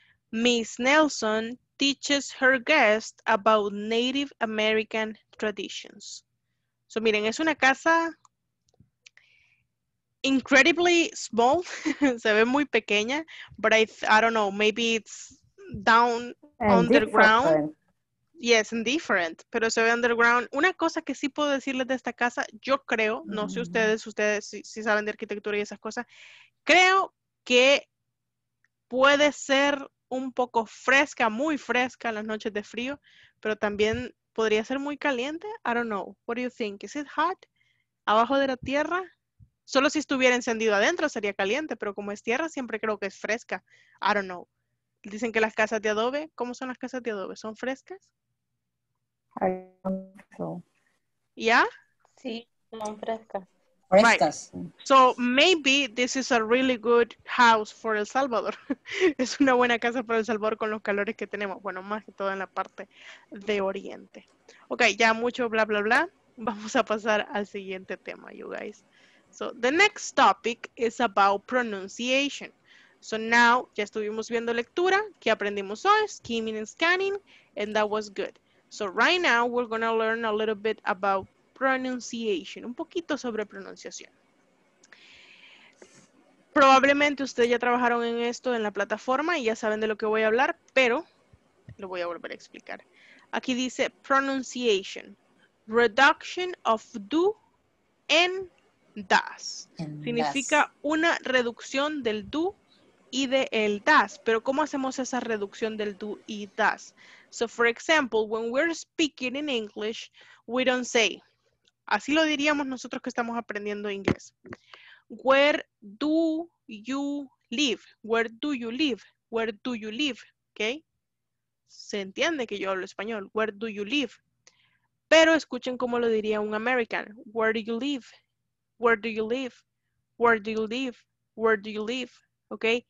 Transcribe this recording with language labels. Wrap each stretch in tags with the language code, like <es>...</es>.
<en>Miss Nelson teaches her guests about Native American traditions. So,</en> <es>miren, es una casa</es> <en>incredibly small,</en> <es>se ve muy pequeña,</es> <en>but I don't know, maybe it's down and underground. Different. Yes, and different,</en> <es>pero se ve</es> <en>underground.</en> <es>Una cosa que sí puedo decirles de esta casa, yo creo, no sé ustedes si saben de arquitectura y esas cosas, creo que puede ser un poco fresca, muy fresca las noches de frío, pero también podría ser muy caliente.</es> <en>I don't know, what do you think? Is it hot?</en> <es>¿Abajo de la tierra? Solo si estuviera encendido adentro sería caliente, pero como es tierra, siempre creo que es fresca.</es> <en>I don't know.</en> <es>Dicen que las casas de adobe, ¿cómo son las casas de adobe? ¿Son frescas?</es> <en>I don't know.</en> <es>¿Ya? Sí, son frescas. Frescas. Right.</es> <en>So, maybe this is a really good house for El Salvador.</en> <es>Es una buena casa para El Salvador con los calores que tenemos. Bueno, más que todo en la parte de oriente. Ok, ya mucho bla, bla, bla. Vamos a pasar al siguiente tema,</es> <en>you guys. So, the next topic is about pronunciation. So, now,</en> <es>ya estuvimos viendo lectura, que aprendimos hoy,</es> <en>skimming and scanning, and that was good. So, right now, we're going to learn a little bit about pronunciation,</en> <es>un poquito sobre pronunciación. Probablemente ustedes ya trabajaron en esto en la plataforma y ya saben de lo que voy a hablar, pero lo voy a volver a explicar. Aquí dice pronunciation.</es> <en>Reduction of do en does.</en> <es>Significa una reducción del do y del does. Pero ¿cómo hacemos esa reducción del do y does?</es> <en>So, for example, when we're speaking in English, we don't say.</en> <es>Así lo diríamos nosotros que estamos aprendiendo inglés.</es> <en>Where do you live? Where do you live? Where do you live? ¿Ok?</en> <es>Se entiende que yo hablo español.</es> <en>Where do you live?</en> <es>Pero escuchen cómo lo diría un American.</es> <en>Where do you live? Where do you live? Where do you live? Where do you live? ¿Ok?</en>